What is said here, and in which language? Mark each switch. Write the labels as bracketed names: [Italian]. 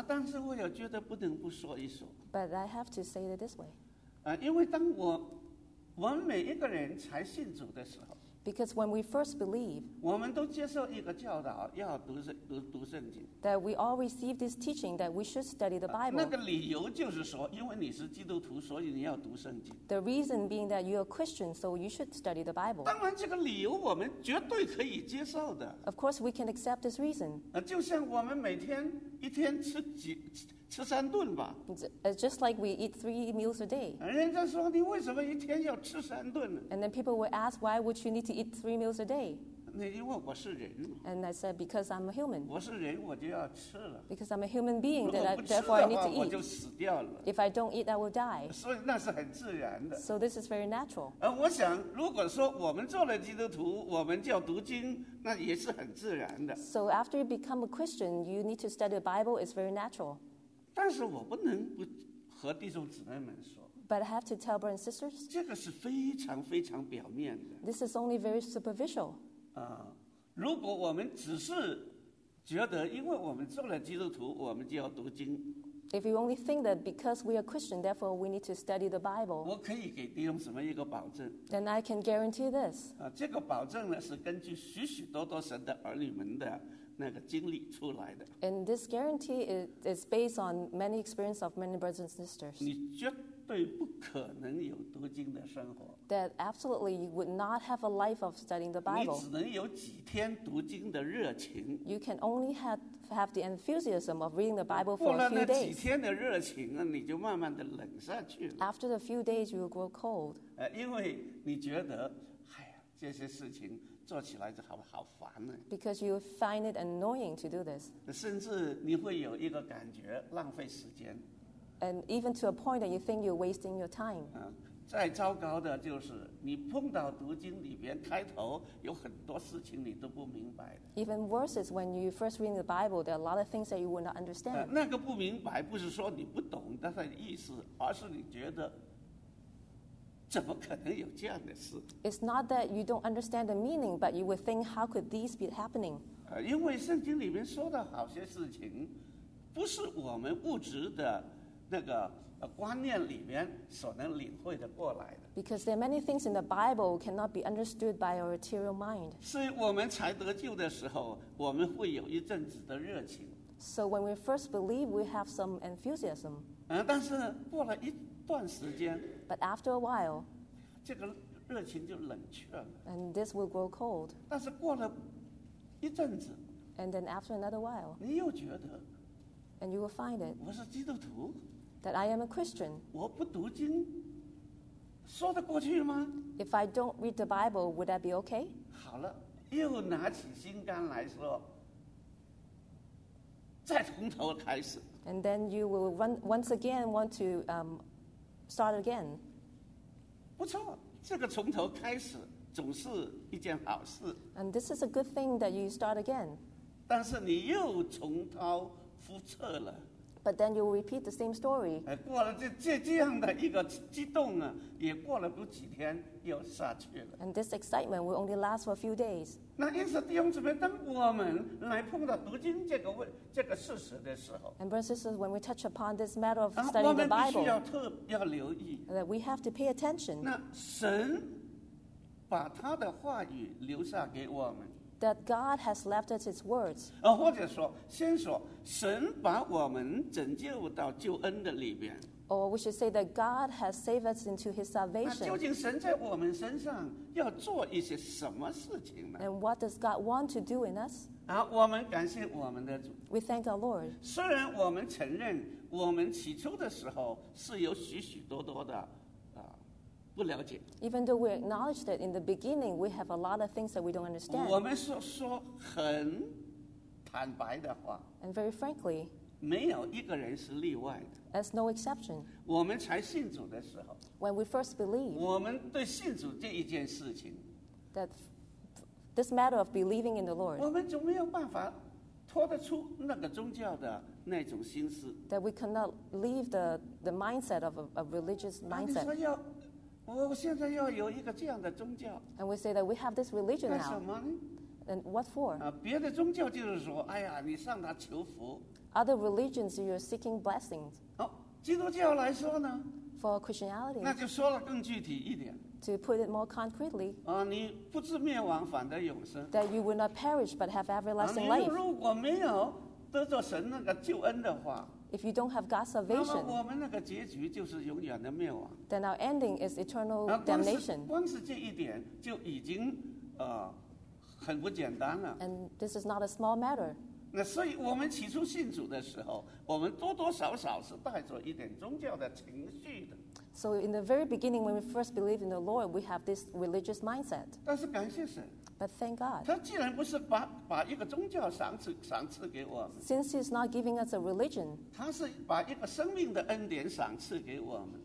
[Chinese] 但是我也觉得不能不说一说。 [English] But I have to say it this way. [Chinese] 因为当我们每一个人才信主的时候， [English] Because when we first believe, [Chinese] 我们都接受一个教导，要读圣经。 [English] That we all receive this teaching that we should study the Bible. [Chinese] 那个理由就是说，因为你是基督徒，所以你要读圣经。 [English] The reason being that you are a Christian, so you should study the Bible. [Chinese] 当然，这个理由我们绝对可以接受的。 [English] Of course, we can accept this reason. [Chinese] 就像我们每天一天吃三顿吧。 [English] It's just like we eat three meals a day. [Chinese] 人家说你为什么一天要吃三顿呢？ [English] And then people will ask, why would you need to eat three meals a day? [Chinese] 那因为我是人。 [English] And I said, because I'm a human. [Chinese] 我是人，我就要吃了。 [English] Because I'm a human being, therefore I need to eat. [Chinese] 如果不吃的话，我就死掉了。 [English] If I don't eat, I will die. [Chinese] 所以那是很自然的。 [English] So this is very natural. [Chinese] 我想，如果说我们做了基督徒，我们就要读经，那也是很自然的。 [English] So after you become a Christian, you need to study the Bible, it's very natural. [Chinese] 但是我不能不和弟兄姊妹们说。 [English] But I have to tell brothers and sisters. [Chinese] 这个是非常非常表面的。 [English] This is only very superficial. [Chinese] 如果我们只是觉得因为我们做了基督徒，我们就要读经。 [English] If you only think that because we are Christian, therefore we need to study the Bible. [Chinese] 我可以给弟兄姊妹一个保证。 [English] Then I can guarantee this. [Chinese] 这个保证呢是根据许许多多神的儿女们的。那个经历出来的。 [English] And this guarantee is based on many experience of many brothers and sisters. [Chinese] 你绝对不可能有读经的生活。 [English] That absolutely you would not have a life of studying the Bible. [Chinese] 你只能有几天读经的热情。 [English] You can only have have the enthusiasm of reading the Bible for a few days. [Chinese] 过了那几天的热情啊，你就慢慢的冷下去了。 [English] After a few days, you will grow cold. [Chinese] 因为你觉得，哎呀，这些事情做起来就好烦呢。 [English] Because you find it annoying to do this. [Chinese] 甚至你会有一个感觉浪费时间。 [English] And even to a point that you think you're wasting your time. [Chinese] 再糟糕的就是你碰到读经里边开头有很多事情你都不明白的。 [English] Even worse is when you first read the Bible, there are a lot of things that you would not understand. [Chinese] 那个不明白不是说你不懂它的意思，而是你觉得怎么可能有这样的事。 [English] It's not that you don't understand the meaning, but you would think how could these be happening? [Chinese] 因为圣经里面说的好些事情不是我们物质的那个观念里面所能领会的过来的。 [English] Because there are many things in the Bible cannot be understood by our material mind. [Chinese] 所以我们才得救的时候，我们会有一阵子的热情。 [English] So when we first believe, we have some enthusiasm. [Chinese] 但是过了一段时间 [English] ，But after a while, [Chinese] 这个热情就冷却了。 [English] And this will grow cold. [Chinese] 但是过了一阵子 [English] ，And then after another while, [Chinese] 你又觉得 [English] ，And you will find it. [Chinese] 我是基督徒。 [English] That I am a Christian. [Chinese] 我不读经，说得过去吗？ [English] If I don't read the Bible, would that be okay? [Chinese] 好了，又拿起心肝来说，再从头开始。 [English] And then you will once again want to start again. [Chinese] 不错，这个从头开始总是一件好事。 [English] And this is a good thing that you start again. [Chinese] 但是你又重蹈覆辙了。 [English] But then you will repeat the same story. [Chinese] 过了这样的一个激动啊，也过了不几天又下去了。 [English] And this excitement will only last for a few days. [Chinese] 那因此弟兄姊妹，当我们来碰到读经这个事实的时候 [English] ，And brothers and sisters, when we touch upon this matter of studying the Bible, [Chinese] 我们必须要留意 [English] ，That we have to pay attention. [Chinese] 那神把他的话语留下给我们。 [English] That God has left us His words. [Chinese] 或者说，先说，神把我们拯救到救恩的里边。 [English] Or we should say that God has saved us into His salvation. [Chinese] 那究竟神在我们身上要做一些什么事情呢？ [English] And what does God want to do in us? [Chinese] 我们感谢我们的主。 [English] We thank our Lord. [Chinese] 虽然我们承认，我们起初的时候是有许许多多的。不了解。 [English] Even though we acknowledge that in the beginning we have a lot of things that we don't understand. [Chinese] 我们说很坦白的话。 [English] And very frankly, [Chinese] 没有一个人是例外的。 [English] There's no exception. [Chinese] 我们才信主的时候。 [English] When we first believe. [Chinese] 我们对信主这一件事情。 [English] That this matter of believing in the Lord. [Chinese] 我们总没有办法脱得出那个宗教的那种心思。 [English] That we cannot leave the mindset of a religious mindset. [Chinese] 那你说要我现在要有一个这样的宗教。 [English] And we say that we have this religion now. [Chinese] 干什么呢？ [English] And what for? [Chinese] 别的宗教就是说，哎呀，你上他求福。 [English] Other religions, you're seeking blessings. [Chinese] 基督教来说呢？ [English] For Christianity. [Chinese] 那就说了更具体一点。 [English] To put it more concretely. [Chinese] 你不至灭亡，反得永生。 [English] That you will not perish, but have everlasting life. [Chinese] 你如果没有得着神那个救恩的话。 [English] If you don't have God's salvation, [Chinese] 那么我们那个结局就是永远的灭亡。 [English] Then our ending is eternal damnation. [Chinese] 光是这一点就已经很不简单了。 [English] And this is not a small matter. [Chinese] 那所以我们起初信主的时候，我们多多少少是带着一点宗教的情绪的。 [English] So in the very beginning, when we first believed in the Lord, we have this religious mindset. [Chinese] 但是感谢神。 [English] But thank God. [Chinese] 他既然不是把一个宗教赏赐给我们。 [English] Since he's not giving us a religion. [Chinese] 他是把一个生命的恩典赏赐给我们。